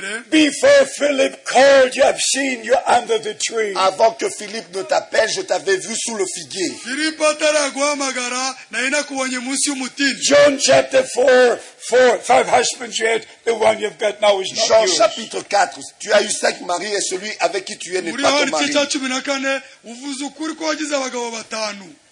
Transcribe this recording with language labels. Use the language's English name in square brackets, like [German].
[English] Before Philip called you, I've seen you under the tree. [French] Avant que Philippe ne t'appelle, je t'avais vu sous le figuier. [English] John chapter 4, five husbands you had, the one you've got now is not yours. [French] John chapitre 4, tu as eu 5 maris. Et celui avec qui tu es n'est pas ton mari.